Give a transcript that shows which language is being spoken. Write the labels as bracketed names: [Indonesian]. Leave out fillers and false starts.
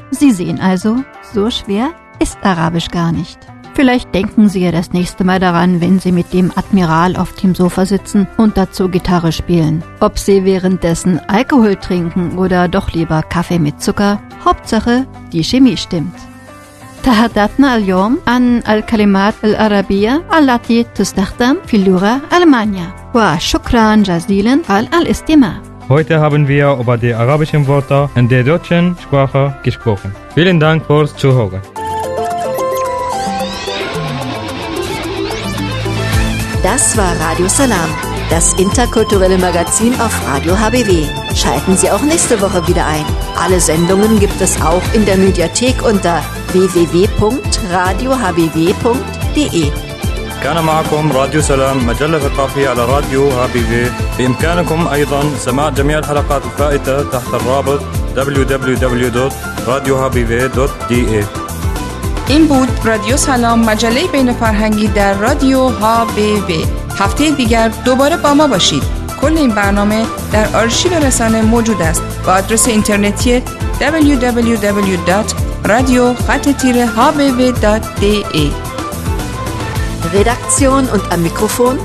[German] Sie sehen also, so schwer ist Arabisch gar nicht. Vielleicht denken Sie ja das nächste Mal daran, wenn Sie mit dem Admiral auf dem Sofa sitzen und dazu Gitarre spielen. Ob Sie währenddessen Alkohol trinken oder doch lieber Kaffee mit Zucker, Hauptsache die Chemie stimmt. [Arabic] تهدأتنا اليوم عن الكلمات العربية التي تستخدم في اللغة الألمانية. وشكرا جزيلا على الاستماع. [German] Heute haben wir über die arabischen Wörter in der deutschen Sprache gesprochen. Vielen Dank fürs Zuhören. Das war Radio Salam, das interkulturelle Magazin auf Radio HBW. Schalten Sie auch nächste Woche wieder ein. Alle Sendungen gibt es auch in der Mediathek unter www.radiohbw.de. [Arabic] كان معكم راديو سلام مجلة ثقافية على راديو HBW. بإمكانكم أيضا سماع جميع الحلقات الفائتة تحت الرابط www.radiohbw.de. [Persian] این بود رادیو سلام، مجله بین فرهنگی در رادیو HBW. هفته دیگر دوباره با ما باشید. کل این برنامه در آرشیو رسانه موجود است با آدرس اینترنتی www.radio-hbw.de. [German] Redaktion und am Mikrofon.